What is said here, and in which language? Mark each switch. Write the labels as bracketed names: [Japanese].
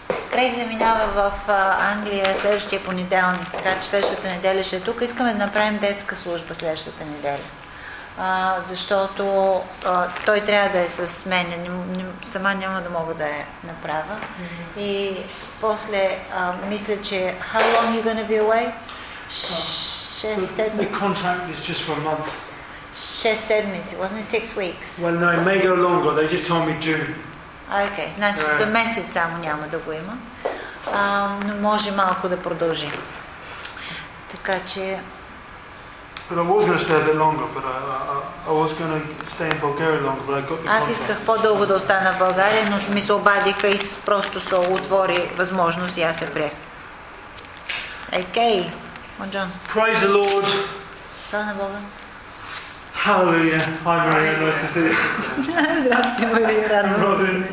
[Bulgarian] Крейг заминава в Англия следващия понеделник, така че следващата неделя ще е тук. Искаме да направим детска служба следващата неделя. Защото той трябва да е с мен. Сама няма да мога да я направя. Mm-hmm. И после мисля, че [English] how long are you gonna be away? [Bulgarian] 6 седмици. [English] The contract is just for a month. [Bulgarian] 6 седмици, [English] wasn't it 6 weeks? Well no, it may go longer. They just told me June. [Bulgarian] Okay, значи за месец само няма да го има. Но може малко да продължи. Така че. [English] But I was going to stay a bit longer, but I was going to stay in Bulgaria longer, but I got the contract. [Bulgarian] Аз исках по-дълго да остана в България, но ми се обадиха и просто се отвори възможност и аз се приех. [English] Okay. Bonjour. Praise the Lord. [Bulgarian] Слава на Бога. [English] Hallelujah. Hi Maria, nice to see you. [Bulgarian] Здравейте, Мария, радвам се.